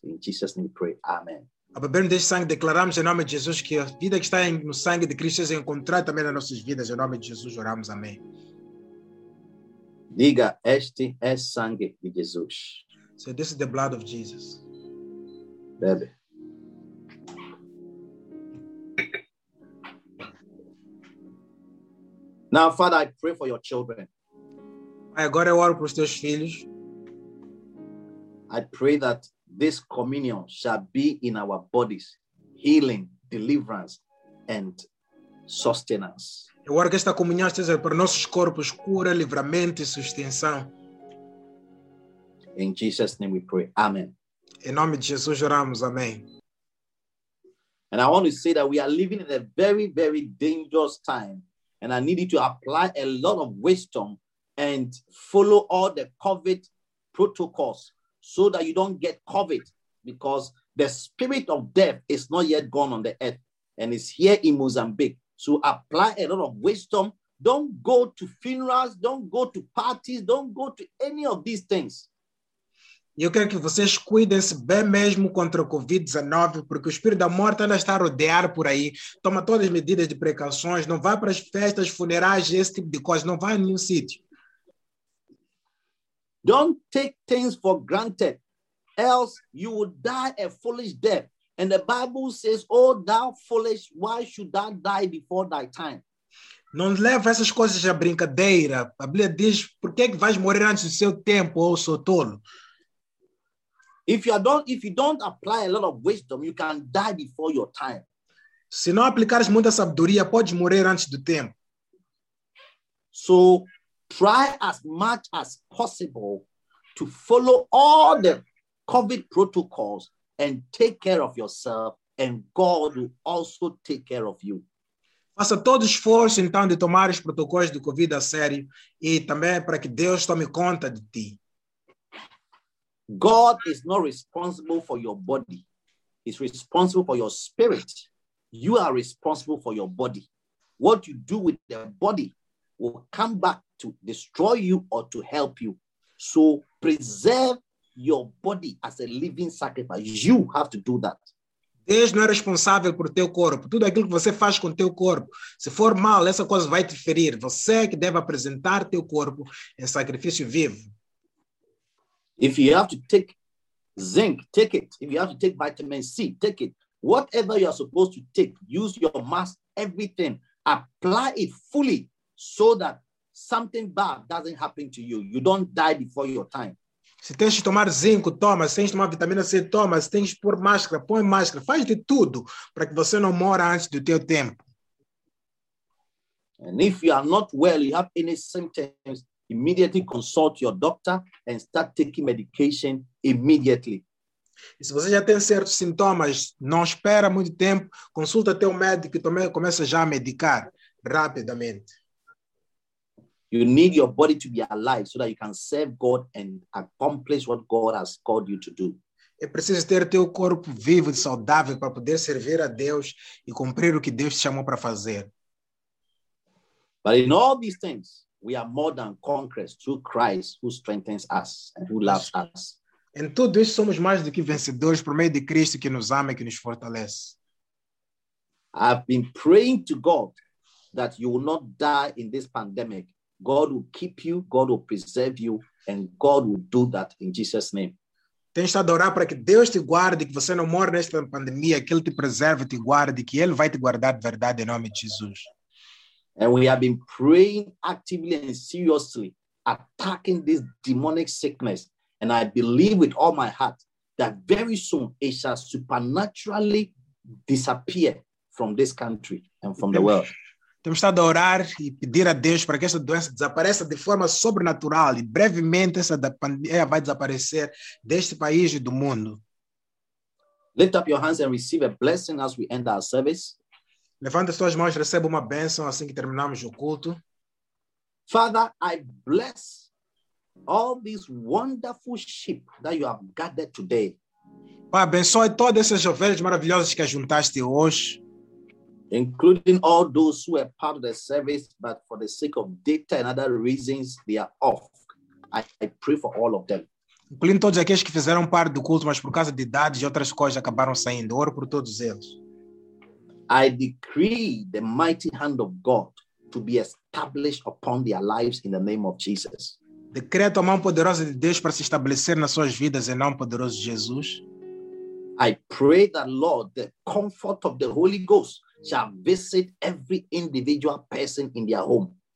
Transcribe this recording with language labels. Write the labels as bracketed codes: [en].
[en] In Jesus' name we pray. Amen. [pt] Ao beber deste sangue, declaramos em nome de Jesus que a vida que está no sangue de Cristo seja encontrada também nas nossas vidas. Em nome de Jesus, oramos. Amém. Diga, este é sangue de Jesus. [en] So this is the blood of Jesus. [pt] Bebe. [en] Now, Father, I pray for your children. [pt] Agora eu oro para os teus filhos. [en] I pray that this communion shall be in our bodies, healing, deliverance, and sustenance. [pt] Eu oro que esta comunhão esteja para nossos corpos, cura, livramento e sustentação. [en] In Jesus' name we pray. Amen. [pt] Em nome de Jesus oramos. Amém. [en] And I want to say that we are living in a very, very dangerous time. And I need you to apply a lot of wisdom and follow all the COVID protocols so that you don't get COVID, because the spirit of death is not yet gone on the earth and is here in Mozambique. So apply a lot of wisdom. Don't go to funerals. Don't go to parties. Don't go to any of these things. [pt] Eu quero que vocês cuidem-se bem mesmo contra o Covid-19, porque o espírito da morte ainda está a rodear por aí. Toma todas as medidas de precauções. Não vá para as festas, funerais, esse tipo de coisa. Não vá em nenhum sítio. [en] Don't take things for granted, else you will die a foolish death. And the Bible says, oh, thou foolish, why should thou die before thy time? [pt] Não leve essas coisas à brincadeira. A Bíblia diz, por que é que vais morrer antes do seu tempo, ou sou tolo? [en] If you don't apply a lot of wisdom, you can die before your time. [pt] Se não aplicares muita sabedoria, podes morrer antes do tempo. [en] So try as much as possible to follow all the COVID protocols and take care of yourself, and God will also take care of you. [pt] Faça todo o esforço, então, de tomar os protocolos do COVID a sério e também para que Deus tome conta de ti. [en] God is not responsible for your body. He's responsible for your spirit. You are responsible for your body. What you do with the body will come back to destroy you or to help you. So preserve your body as a living sacrifice. You have to do that. [pt] Deus não é responsável por teu corpo. Tudo aquilo que você faz com teu corpo, se for mal, essa coisa vai te ferir. Você é que deve apresentar teu corpo em sacrifício vivo. [en] If you have to take zinc, take it. If you have to take vitamin C, take it. Whatever you are supposed to take, use your mask, everything. Apply it fully so that something bad doesn't happen to you. You don't die before your time. [pt] Se tens de tomar zinco, toma. Se tens de tomar vitamina C, toma. Se tens de pôr máscara, põe máscara. Faz de tudo para que você não morra antes do teu tempo. [en] And if you are not well, you have any symptoms, immediately consult your doctor and start taking medication immediately. [pt] E se você já tem certos sintomas, não espera muito tempo, consulta teu médico e também começa já a medicar rapidamente. [en] You need your body to be alive so that you can serve God and accomplish what God has called you to do. [pt] É preciso ter teu corpo vivo e saudável para poder servir a Deus e cumprir o que Deus te chamou para fazer. [en] But in all these things, we are more than conquerors through Christ who strengthens us and who loves us. [pt] Em tudo isso somos mais do que vencedores por meio de Cristo que nos ama e que nos fortalece. [en] I've been praying to God that you will not die in this pandemic. God will keep you, God will preserve you, and God will do that in Jesus' name. [pt] Tenho estado a orar para que Deus te guarde, que você não morra nesta pandemia, que Ele te preserve, te guarde, que Ele vai te guardar de verdade em nome de Jesus. [en] And we have been praying actively and seriously, attacking this demonic sickness. And I believe with all my heart that very soon it shall supernaturally disappear from this country and from the world. [pt] Temos estado a orar e pedir a Deus para que essa doença desapareça de forma sobrenatural e brevemente essa pandemia vai desaparecer deste país e do mundo. [en] Lift up your hands and receive a blessing as we end our service. [pt] Levanta suas mãos, receba uma bênção assim que terminarmos o culto. [en] Father, I bless all these wonderful sheep that you have gathered today. [pt] Pai, abençoe todas essas ovelhas maravilhosas que juntaste hoje. [en] Including all those who are part of the service, but for the sake of data and other reasons, they are off. I pray for all of them. [pt] Incluindo todos aqueles que fizeram parte do culto, mas por causa de dados e outras coisas acabaram saindo. Oro por todos eles. [en] I decree the mighty hand of God to be established upon their lives in the name of Jesus. [pt] Decreto a mão poderosa de Deus para se estabelecer nas suas vidas em nome poderoso de Jesus. [en] I pray that, Lord, the comfort of the Holy Ghost shall visit every individual person in their home.